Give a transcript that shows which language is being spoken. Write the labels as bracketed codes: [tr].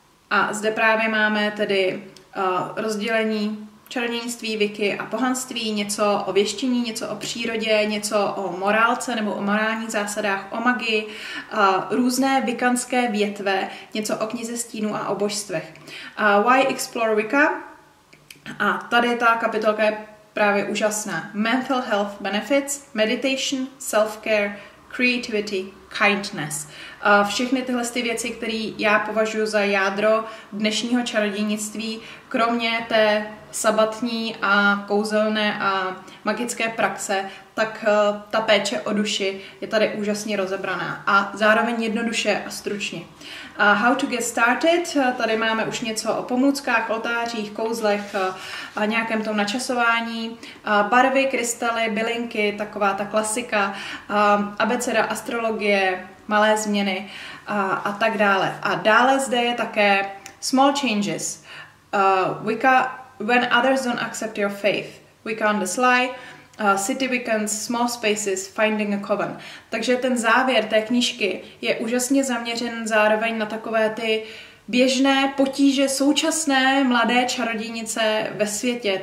[cs] A zde právě máme tedy rozdělení čarodějnictví, Wicky a pohanství, něco o věštění, něco o přírodě, něco o morálce nebo o morálních zásadách, o magii, různé wiccanské větve, něco o knize stínu a o božstvech. [en] Why explore Wicca? [cs] A tady ta kapitolka je právě úžasná. [en] Mental health benefits, meditation, self-care, creativity, kindness. [cs] Všechny tyhle ty věci, které já považuji za jádro dnešního čarodějnictví, kromě té sabatní a kouzelné a magické praxe, tak ta péče o duši je tady úžasně rozebraná a zároveň jednoduše a stručně. [en] How to get started? [cs] Tady máme už něco o pomůckách, oltářích, kouzlech, a nějakém tom načasování, barvy, krystaly, bylinky, taková ta klasika, abeceda astrologie, malé změny a tak dále. A dále zde je také [en] small changes. Wicca, when others don't accept your faith, Wicca on the sly, city weekends, small spaces, finding a coven. [cs] Takže ten závěr té knížky je úžasně zaměřen zároveň na takové ty běžné potíže současné mladé čarodějnice ve světě.